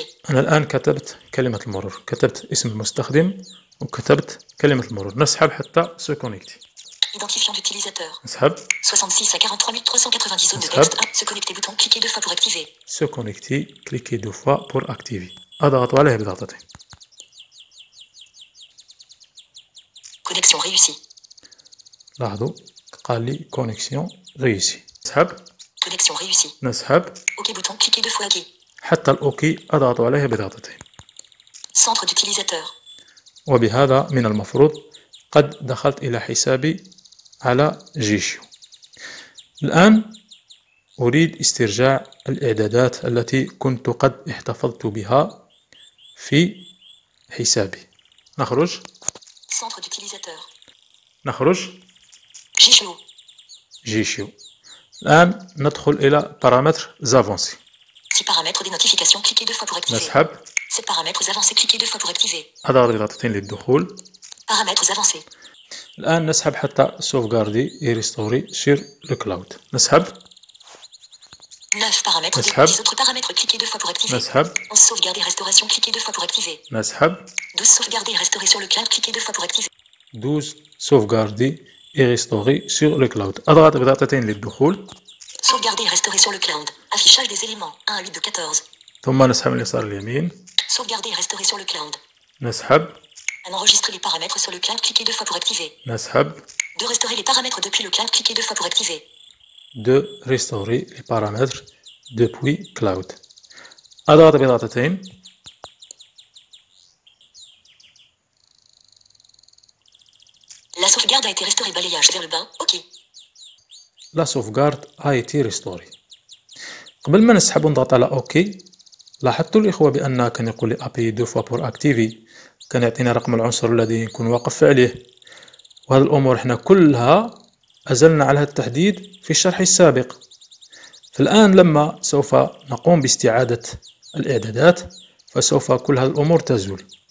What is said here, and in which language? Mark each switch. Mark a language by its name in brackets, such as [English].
[Arabic] أنا الآن كتبت كلمة المرور، كتبت اسم المستخدم وكتبت كلمة المرور. نسحب حتى سكونيكتي. [French] Identifiant d'utilisateur. [Arabic] نسحب. [French] 66 à 43390 zone de texte. Se connecter bouton. Cliquez deux fois pour activer. Se connecter. Cliquez deux fois pour activer. [Arabic] أضغط عليه بضغطتي. [French] Connexion réussie. [Arabic] لاحظوا. قال لي [French] connexion réussie. [Arabic] نسحب. [French] Connexion réussie. [Arabic] نسحب. [French] OK bouton. Cliquez deux fois OK. [Arabic] حتى الأوكي أضغط عليه بضغطتي. [French] Centre d'utilisateur. [Arabic] وبهذا من المفروض قد دخلت إلى حسابي على جيشو. الآن أريد استرجاع الإعدادات التي كنت قد احتفظت بها في حسابي. نخرج. [French] Centre d'utilisateur. [Arabic] نخرج. جيشو. جيشو. الآن ندخل إلى بارامتر زافونسي. [French] Ces paramètres d'identification, cliquez deux fois pour activer. [Arabic] نسحب. [French] Ces paramètres avancés, cliquez deux fois pour activer. [Arabic] أضغط بضغطتين للدخول. [French] Paramètres avancés. [Arabic] الآن نسحب حتى [French] sauvegarder et restaurer sur le cloud. [Arabic] نسحب. [French] 9 paramètres. [Arabic] نسحب. [French] 10 autres paramètres, cliquez deux fois pour activer. [Arabic] نسحب. [French] 11 sauvegarder et restauration, cliquez deux fois pour activer. [Arabic] نسحب. [French] 12 sauvegarder et restaurer sur le cloud, cliquez deux fois pour activer. 12 sauvegarder et restaurer sur le cloud. [Arabic] أضغط بضغطتين للدخول. [French] Sauvegarder et restaurer sur le cloud. Affichage des éléments 1 à 8 de 14. [Arabic] ثم نسحب اليسار اليمين. [French] Sauvegarder et restaurer sur le cloud. [Arabic] نسحب. [French] Enregistrer les paramètres sur le cloud, cliquez deux fois pour activer. [Arabic] نسحب. [French] De restaurer les paramètres depuis le cloud, cliquez deux fois pour activer. De restaurer les paramètres depuis cloud. [Arabic] أضغط بضغطتين. [French] La sauvegarde a été restaurée balayage vers le bas. OK. La sauvegarde a été restaurée. [Arabic] قبل ما نسحب ونضغط على اوكي لاحظتوا الاخوه بان كان يقول لي [French] ابي دو فوا بور اكتيفي، [Arabic] كان يعطينا رقم العنصر الذي يكون واقف عليه، وهذه الامور احنا كلها ازلنا عليها التحديد في الشرح السابق. فالان لما سوف نقوم باستعاده الاعدادات فسوف كل هذه الامور تزول.